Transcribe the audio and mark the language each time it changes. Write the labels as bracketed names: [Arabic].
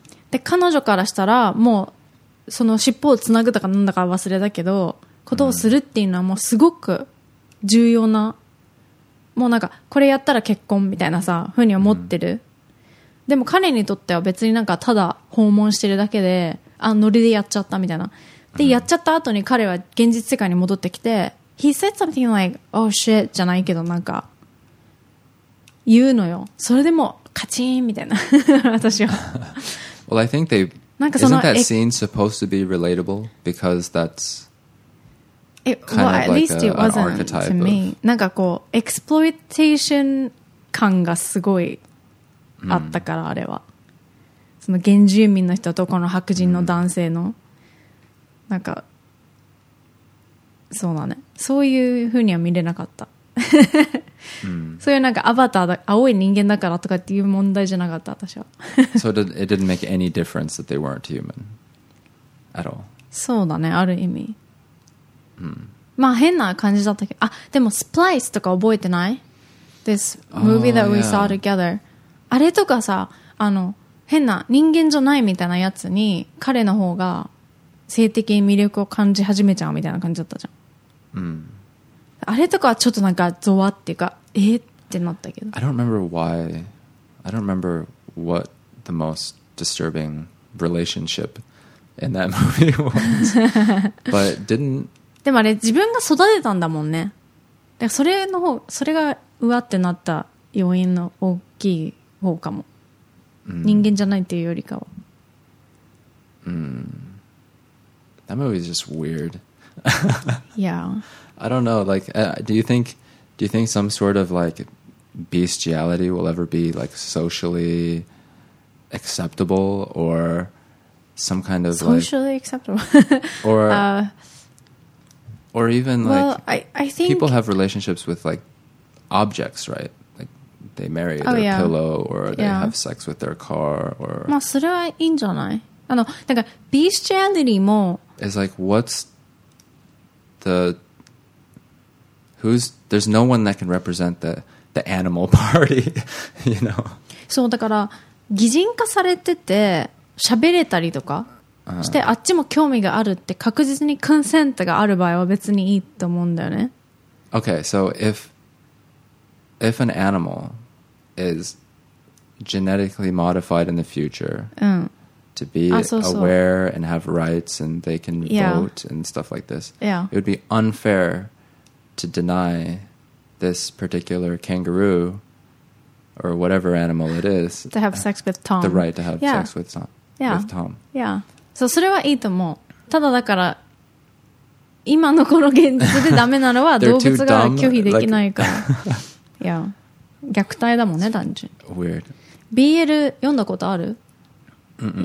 [Japanese] で彼女からしたらもうその尻尾をつなぐとかなんだか忘れたけどことをするっていうのはもうすごく重要な、もうなんかこれやったら結婚みたいなさふうに思ってる、でも彼にとっては別になんかただ訪問してるだけで、あ、ノリでやっちゃったみたいな。でやっちゃった後に彼は現実世界に戻ってきて、 [English] He said something like, oh shit, [Japanese] じゃないけど、なんか、言うのよ。それでも、カチーンみたいな、私は。 [English] Well, I think they, isn't that scene supposed to be relatable? Because that's kind of like an archetype to me. [Japanese] なんかこう、exploitation 感がすごいあったから、あれは。その原住民の人とこの白人の男性の、なんか、そうだね。そういうふうには見れなかった。そういうなんかアバターだ、青い人間だからとかっていう問題じゃなかった私は。 [English] So it didn't make any difference that they weren't human at all. [Japanese] そうだね、ある意味。うん、まあ変な感じだったけど、あ、でもスプライスとか覚えてない ？ [English] This movie that we saw together、 [Japanese] あれとかさ、あの変な人間じゃないみたいなやつに彼の方が性的魅力を感じ始めちゃうみたいな感じだったじゃん。うん。あれとかはちょっとなんかゾワっていうか、えってなったけど。 [English] I don't remember why. I don't remember what the most disturbing relationship in that movie was. But didn't. [Japanese] でもあれ自分が育てたんだもんね。だからそれの方、それがうわってなった要因の大きい方かも。人間じゃないっていうよりかは。 [English] That movie is just weird. Yeah. I don't know. Like, do you think some sort of like bestiality will ever be like socially acceptable or some kind of socially like, acceptable or even well, like I think people have relationships with like objects, right? Like they marry their pillow or they have sex with their car or. [Japanese] まあそれはいいんじゃない。あのなんか bestiality も [English] is like what's the Who's there's no one that can represent the animal party, you know? [Japanese] そうだから擬人化されてて喋れたりとか、してあっちも興味があるって確実にコンセントがある場合は別にいいと思うんだよね。 [English] Okay, so if an animal is genetically modified in the future, to be aware and have rights and they can vote and stuff like this, it would be unfair. To deny this particular kangaroo or whatever animal it is to have sex with Tom, the right to have sex with Tom, with Tom. Yeah. [Japanese] So, それはいいと思う。ただだから今のこの現実でダメなのは動物が拒否できないから。いや、虐待だもんね、単純。 [English] Weird. [Japanese] BL 読んだことある？ Mm-mm.